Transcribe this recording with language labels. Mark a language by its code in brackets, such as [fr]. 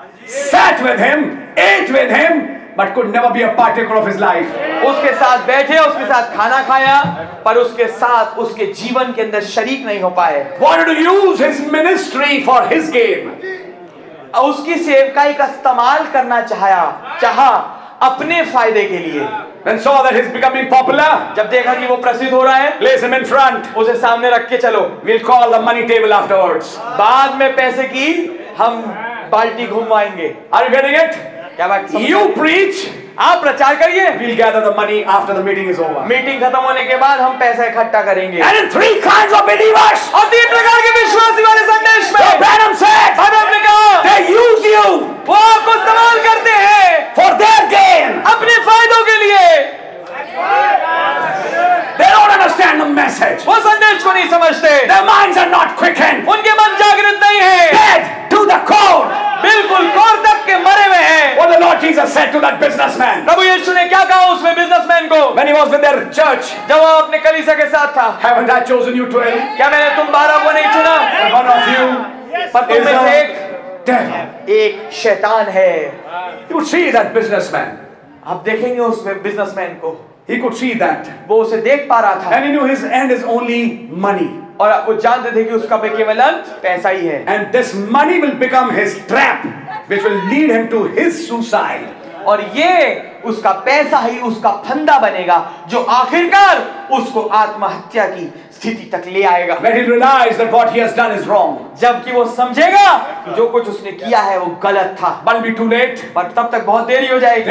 [en] Sat with him, ate with him, but could never be a partaker of his life. [hi] उसके साथ बैठे, उसके साथ खाना खाया, पर उसके साथ उसके जीवन के अंदर शरीक नहीं हो पाए. [en] Wanted to use his ministry for his gain. [hi] उसकी सेवकाई का इस्तेमाल करना चाहा अपने फायदे के लिए. [en] And saw that he's becoming popular. [hi] जब देखा कि वो प्रसिद्ध हो रहा है, [en] place him in front. [hi] उसे सामने रख के चलो. [en] We'll call the money table afterwards. [hi] बाद में पैसे की हम बाल्टी घुमाएंगे. [en] Are you getting it? [hi] क्या बात? [en] You preach. [hi] आप प्रचार करिए. [en] We'll gather the money after the meeting is over. [hi] Meeting खत्म होने के बाद हम पैसे इकट्ठा करेंगे. [en] And in three kinds of believers. [hi] और तीन प्रकार के विश्वासी वाले संदेश में. [en] The Branham said. [hi] Branham ने कहा. [en] They use you. [hi] वो आपको इस्तेमाल करते हैं. [en] For their gain. [hi] अपने फायदों के लिए. [en] They don't understand the message. [hi] वो संदेश को नहीं समझते. [en] Their minds are not quickened. [hi] उनके मन जागृत नहीं है. [en] Dead. To the core. [hi] बिल्कुल कोर तक के मरे हुए हैं. [en] What the Lord Jesus said to that businessman. [hi] प्रभु यीशु ने क्या कहा उस बिजनेसमैन को? [en] When he was with their church. [hi] जब वो अपने कलीसिया के साथ था. [en] Haven't I chosen you 12? [hi] क्या मैंने तुम 12 को नहीं चुना? [en] One of you. [hi] पर तुम में से एक. [en] Devil. [hi] एक शैतान है. [en] You see that businessman. [hi] आप देखेंगे उस बिजनेसमैन को. [en] He could see that. [hi] वो उसे देख पा रहा था. [en] And he knew his end is only money. [hi] और वो जानते थे कि उसका केवल अंत पैसा ही है. [en] And this money will become his trap, which will lead him to his suicide. [hi] और ये उसका पैसा ही उसका फंदा बनेगा, जो आखिरकार उसको आत्महत्या की स्थिति तक ले आएगा. [en] When he realizes that what he has done is wrong. [hi] जबकि वो समझेगा कि जो कुछ उसने किया है वो गलत था. [en] But be too late. [hi] पर तब तक बहुत देरी हो जाएगी.